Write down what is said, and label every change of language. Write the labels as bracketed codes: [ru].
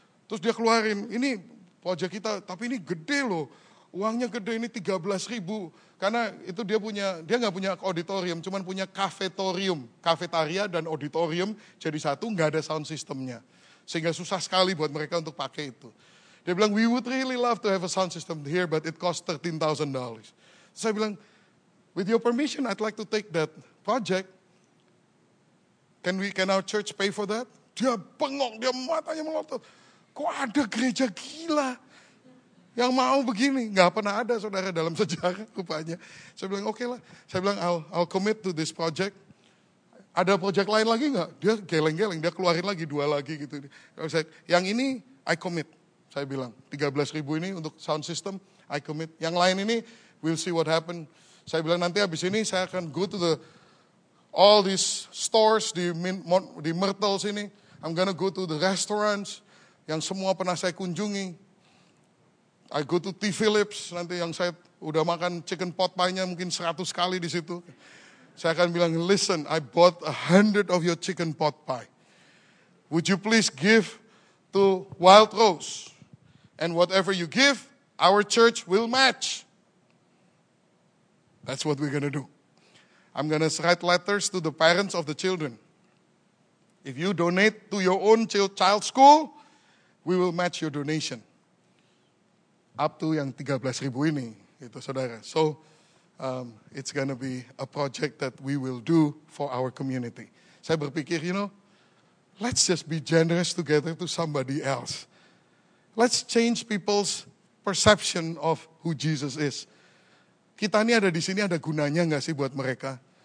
[id] Terus dia keluarin, ini proyek kita, tapi ini gede loh. Uangnya gede, ini 13.000. Karena itu dia gak punya auditorium, cuman punya cafetorium. Cafetaria dan auditorium jadi satu, gak ada sound systemnya. Sehingga susah sekali buat mereka untuk pakai itu. Dia bilang, [en] we would really love to have a sound system here, but it costs $13,000. [id] Saya bilang, [en] with your permission, I'd like to take that project. Can our church pay for that? [id] Dia bengong, dia matanya melotot. Kok ada gereja gila yang mau begini? Gak pernah ada, saudara, dalam sejarah rupanya. Saya bilang, okay lah. Saya bilang, [en] I'll commit to this project. [id] Ada project lain lagi gak? Dia geleng-geleng, dia keluarin lagi 2 lagi gitu. Yang ini, [en] I commit. [id] Saya bilang, 13.000 ini untuk sound system, I commit. Yang lain ini, [en] we'll see what happen. [id] Saya bilang, nanti habis ini saya akan [en] go to the all these stores [id] di Myrtle sini. [en] I'm gonna go to the restaurants [id] yang semua pernah saya kunjungi. [en] I go to T. [id] Phillips, nanti yang saya udah makan chicken pot pie-nya mungkin 100 kali di situ. Saya akan bilang, [en] listen, I bought 100 of your chicken pot pie. Would you please give to Wild Rose? And whatever you give, our church will match. That's what we're gonna do. I'm going to write letters to the parents of the children. If you donate to your own child school, we will match your donation. Up to [id] yang 13,000 ini, itu saudara. [en] So, it's going to be a project that we will do for our community. [id] Saya berpikir, [en] you know, let's just be generous together to somebody else. Let's change people's perception of who Jesus is. [id] Kita ini ada di sini, ada gunanya enggak sih buat mereka?